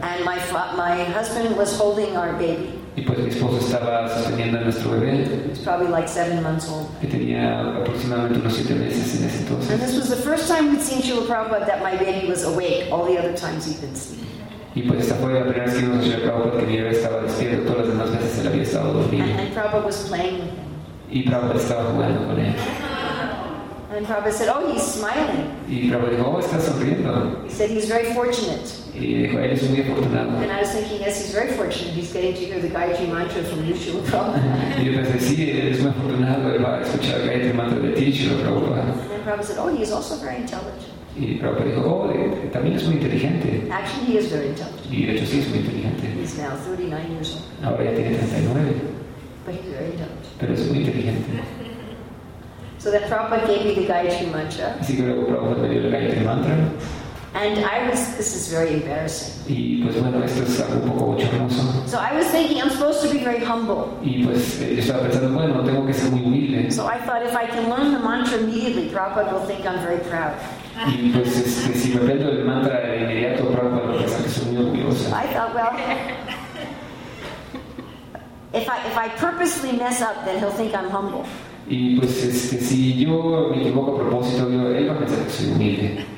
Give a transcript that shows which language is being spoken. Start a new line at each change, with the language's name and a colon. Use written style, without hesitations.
English: And my husband was holding our baby.
Spanish: Y pues mi esposo estaba sosteniendo a nuestro bebé.
English: He's probably like 7 months old.
Spanish: Que tenía aproximadamente unos 7 meses en ese entonces.
English: And this was the first time we'd seen Srila Prabhupada that my baby was awake. All the other times he'd been sleeping.
Spanish: Y pues esta fue la primera vez que vimos a Srila Prabhupada que mi bebé estaba despierto. Todas las demás veces él había estado dormido.
English: And Prabhupada was playing with him.
Spanish: Y Prabhupada estaba jugando con él.
English: And Prabhupada said, oh, he's smiling.
Spanish: Y Prabhupada dijo, oh, está sonriendo.
English: He said, he's very fortunate.
Spanish: Y dijo, él es muy afortunado.
English: And I was thinking, yes, he's very fortunate. He's getting to hear the Gayatri Mantra from you, Srila Prabhupada.
Spanish: Y yo pensé, sí, es muy afortunado. Él va a escuchar el Gayatri Mantra de ti, Srila Prabhupada.
English: And Prabhupada said, oh, he is also very intelligent.
Spanish: Y Prabhupada dijo, oh, también es muy inteligente.
English: Actually, he is very intelligent.
Spanish: Y de hecho, sí, es muy inteligente.
English: He's now 39 years old.
Spanish: Ahora ya tiene 39.
English: But he's very intelligent.
Spanish: Pero es muy inteligente.
English: So then Prabhupada gave me the Gayatri Mantra.
Spanish: Así que luego Prabhupada me dio el Gayatri Mantra.
English: And I was, this is very embarrassing.
Spanish: Y pues bueno, esto es algo un poco bochornoso.
English: So I was thinking, I'm supposed to be very humble.
Spanish: Y pues yo estaba pensando, bueno, tengo que ser muy humilde.
English: So I thought, if I can learn the mantra immediately, Prabhupada will think I'm very proud.
Spanish: Y pues si me prendo el mantra de inmediato, Prabhupada lo pensaba que soy muy orgullosa.
English: I thought, well, if I purposely mess up, then he'll think I'm humble.
Spanish: Y pues si yo me equivoco a propósito, él va a pensar que soy humilde.